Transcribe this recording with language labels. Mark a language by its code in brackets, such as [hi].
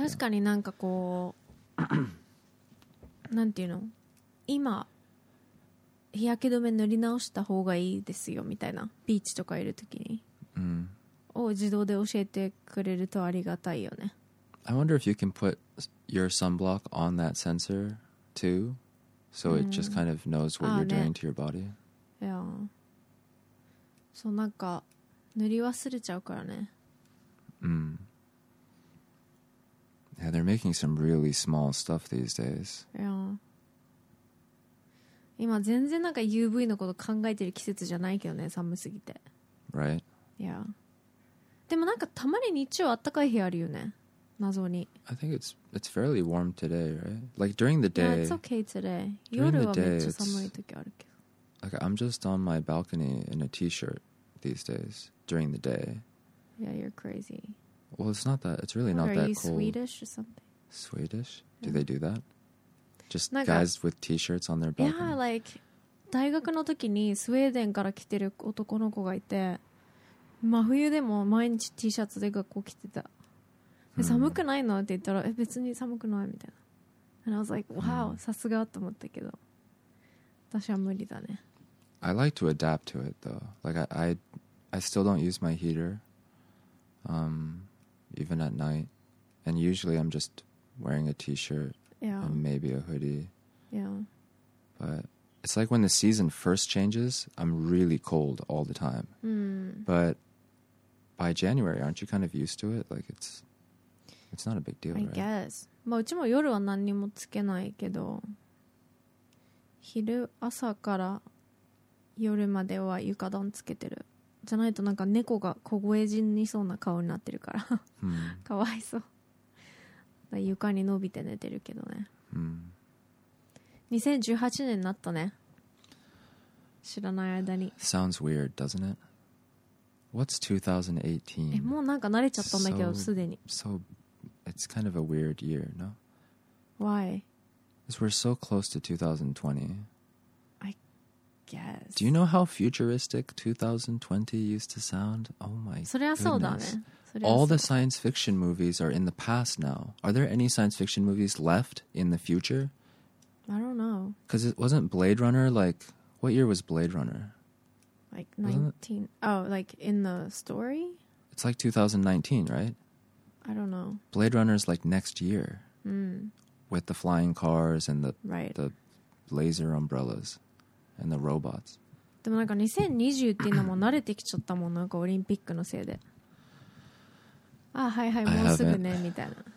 [ja] 確かになんかこう、なんていうの？今日焼け止め塗り直した方がいいですよみたいな、ビーチとかいるときに、を自動で教えてくれるとありがたいよね。 [en] I wonder if you can put your sunblock on that sensor too, so it just kind of knows what you're doing to your body. Yeah. [ja] そう、なんか塗り忘れちゃうからね。うん。 [en] Yeah, they're making some really small stuff these days. Yeah. [ja] 今全然なんか UV のこと考えてる季節じゃないけどね、寒すぎて。 [en] Right. Yeah. [ja] でもなんかたまに日中暖かい日あるよね、謎に。 [en] I think it's fairly warm today, right? Like during the day. Yeah, it's okay today. [ja] 夜はめっちゃ寒い時あるけど。 [en] Like I'm just on my balcony in a t-shirt these days during the day. Yeah, you're crazy. Well, it's not that. It's really not that cold. Are you Swedish or something? Swedish? Do they do that? Just guys with t-shirts on their balcony? Yeah, like [ja] 大学の時にスウェーデンから来てる男の子がいて、真冬でも毎日 T シャツで学校来てた。寒くないのって言ったら、え、別に寒くないみたいな。 [en] And I was like, wow, [ja] さすがと思ったけど。私は無理だね。 [en] I like to adapt to it though. Like I still don't use my heater, even at night. And usually I'm just wearing a t-shirt and maybe a hoodie. Yeah. But it's like when the season first changes, I'm really cold all the time. But by January, aren't you kind of used to it? Like it's not a big deal, I right? I guess. [ja] まあうちも夜は何にもつけないけど。昼朝から夜までは床暖つけてる。じゃないとなんか猫が凍え死にそうな顔になってるから、かわいそう。だから床に伸びて寝てるけどね。 2018年になったね。知らない間に。 [en] Sounds weird, doesn't it? What's 2018? [ja] え、もうなんか慣れちゃったんだけど、すでに。 [en] So, it's kind of a weird year, no? Why? Because we're so close to 2020. I guess. Do you know how futuristic 2020 used to sound? Oh my goodness. All the science fiction movies are in the past now. Are there any science fiction movies left in the future? I don't know. Because it wasn't Blade Runner. Like, what year was Blade Runner? Like 19. Oh, like in the story? It's like 2019, right? I don't know. Blade Runner is like next year. With the flying cars and the, the laser umbrellas and the robots. [ja] でもなんか2020っていうのも慣れてきちゃったもん、なんかオリンピックのせいで。あ、はいはい、もうすぐね、みたいな。